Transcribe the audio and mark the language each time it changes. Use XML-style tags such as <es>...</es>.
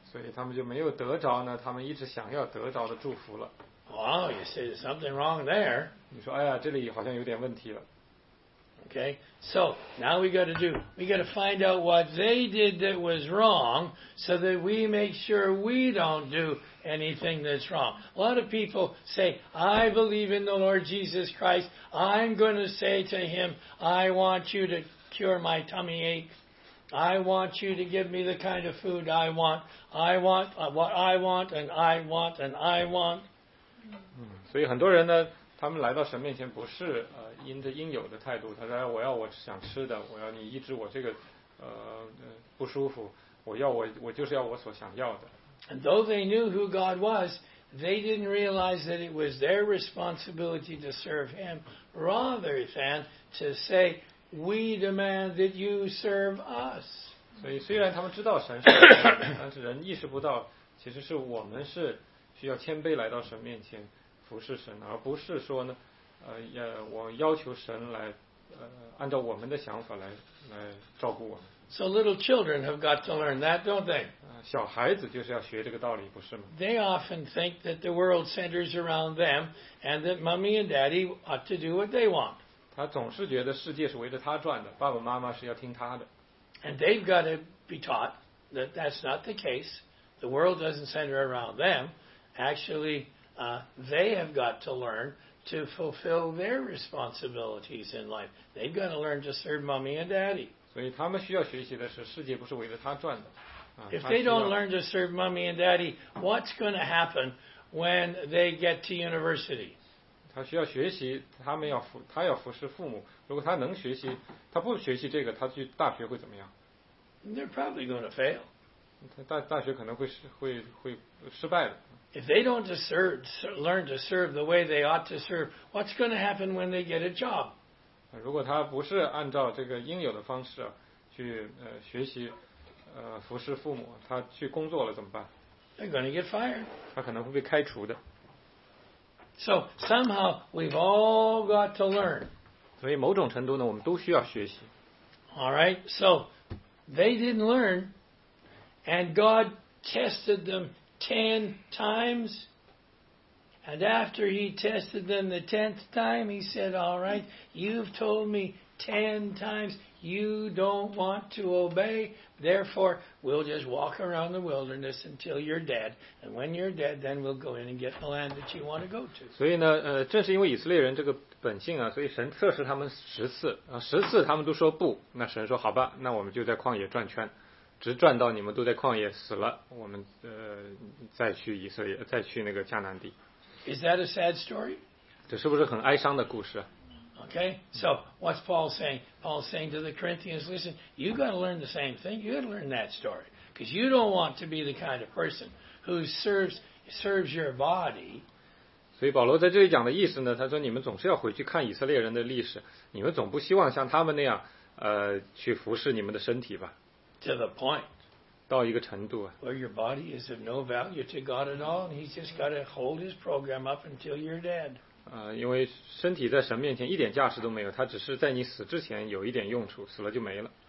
<zh>所以他们就没有得着呢，他们一直想要得着的祝福了。</zh> <en>Wow, you say there's something wrong there.</en> <zh>你说，哎呀，这里好像有点问题了。</zh> <en>Okay, so now we got to find out what they did that was wrong so that we make sure we don't do anything that's wrong. A lot of people say, I believe in the Lord Jesus Christ. I'm going to say to him, I want you to cure my tummy ache. I want you to give me the kind of food I want. I want what I want and I want and I want.</en> <zh>所以很多人呢他们来到神面前不是因着应有的态度，他说我要我想吃的，我要你医治我这个不舒服，我就是要我所想要的。</zh> <en>And though they knew who God was, they didn't realize that it was their responsibility to serve Him rather than to say, we demand that you serve us.</en> <zh>所以虽然他们知道神是神，但是人意识不到，其实是我们是需要谦卑来到神面前。不是神，而不是说呢，我要求神来，按照我们的想法来照顾我们。</zh> <en>So little children have got to learn that, don't they?</en> <zh>小孩子就是要学这个道理，不是吗</zh> <en>？They often think that the world centers around them, and that mommy and daddy ought to do what they want.</en> <zh>他总是觉得世界是围着他转的，爸爸妈妈是要听他的。</zh> <en>And they've got to be taught that that's not the case. The world doesn't center around them, actually. They have got to learn to fulfill their responsibilities in life. They've got to learn to serve mommy and daddy.</en> <zh>所以他们需要学习的是，世界不是围着他转的。</zh> <en>If they don't learn to serve mommy and daddy, what's going to happen when they get to university?</en> <zh>他需要学习，他要服侍父母。如果他能学习，他不学习这个，他去大学会怎么样？</zh> <en>They're probably going to fail.</en> <zh>大学可能会失败的。</zh> <en>If they don't learn to serve the way they ought to serve, what's going to happen when they get a job?</en> <zh>如果他不是按照这个应有的方式去学习服侍父母，他去工作了怎么办？</zh> <en>They're going to get fired.</en> <zh>他可能会被开除的。</zh> <en>So somehow we've all got to learn.</en> <zh>所以某种程度呢，我们都需要学习。</zh> <en>All right. So they didn't learn, and God tested them. 10 times, And after he tested them the 10th time, he said, all right, you've told me 10 times you don't want to obey. Therefore, we'll just walk around the wilderness until you're dead. And when you're dead, then we'll go in and get the land that you want to go to.</en> <zh>所以呢，正是因为以色列人这个本性啊，所以神测试他们10次，10次他们都说不，那神说好吧，那我们就在旷野转圈，直转到你们都在旷野死了，我们再去以色列，再去那个迦南地。</zh> <en>Is that a sad story?</en> <zh>这是不是很哀伤的故事？</zh> <en>Okay, so what's Paul saying? Paul's saying to the Corinthians, listen, you've got to learn the same thing. You've got to learn that story. Because you don't want to be the kind of person who serves your body.</en> <zh>所以保罗在这里讲的意思呢，他说你们总是要回去看以色列人的历史，你们总不希望像他们那样去服侍你们的身体吧。</zh> <en>To the point.</en> <zh>到一个程度啊。</zh> <en>Where your body is of no value to God at all, and he's just got to hold his program up until you're dead.</en> <zh>因为身体在神面前一点价值都没有，它只是在你死之前有一点用处，死了就没了。</zh>